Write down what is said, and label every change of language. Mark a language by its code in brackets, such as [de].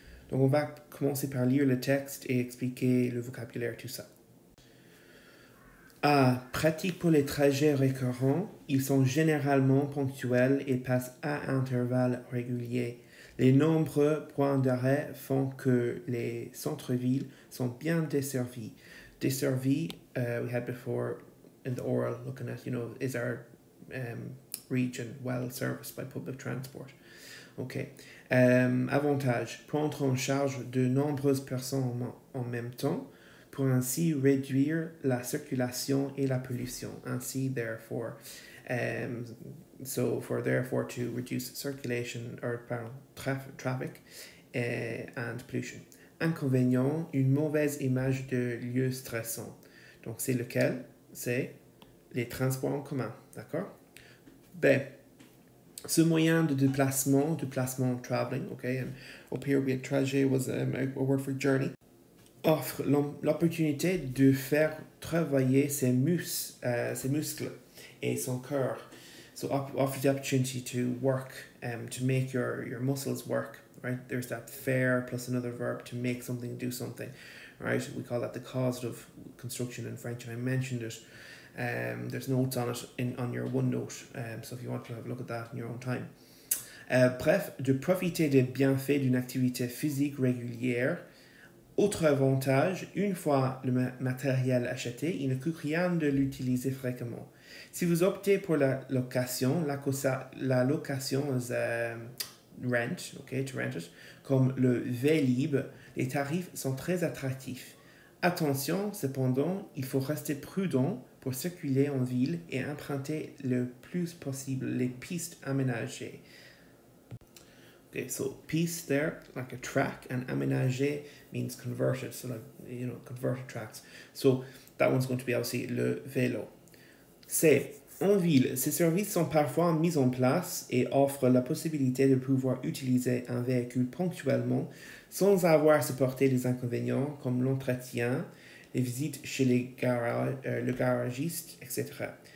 [fr] Donc, on va commencer par lire le texte et expliquer le vocabulaire, tout ça. A, pratique pour les trajets récurrents. Ils sont généralement ponctuels et passent à intervalles réguliers. Les nombreux points d'arrêt font que les centres-villes sont bien desservis. [en] Desservis, we had before in the oral, looking at, you know, is our region well serviced by public transport. OK. [fr] Avantage, prendre en charge de nombreuses personnes en même temps. Pour ainsi réduire la circulation et la pollution. [en] Ainsi, therefore, so for therefore to reduce circulation or pardon, traffic and pollution. [fr] Inconvénient, une mauvaise image de lieu stressant. Donc, c'est lequel? C'est les transports en commun, d'accord? B. Ce moyen de déplacement, [en] traveling, OK? And [fr] au pire, oui, [en] trajet was a word for journey. [fr] Offre l'opportunité de faire travailler ses muscles et son cœur. [en] So offer the opportunity to work, to make your muscles work, right? There's that faire plus another verb to make something do something, right? We call that the causative construction in French, and I mentioned it. There's notes on it in on your OneNote, so if you want to have a look at that in your own time. [fr] Bref, de profiter des bienfaits d'une activité physique régulière. Autre avantage, une fois le matériel acheté, il ne coûte rien de l'utiliser fréquemment. Si vous optez pour la location, la location [en] is rent, okay, to rent it, [fr] comme le Vélib, les tarifs sont très attractifs. Attention, cependant, il faut rester prudent pour circuler en ville et emprunter le plus possible les pistes aménagées. [en] Okay, so piste there, like a track, and aménagé means converted, so like, you know, converted tracks. So that one's going to be obviously le vélo. [fr] C. En ville, ces services sont parfois mis en place et offrent la possibilité de pouvoir utiliser un véhicule ponctuellement sans avoir à supporter les inconvénients comme l'entretien, les visites chez le garagiste, etc.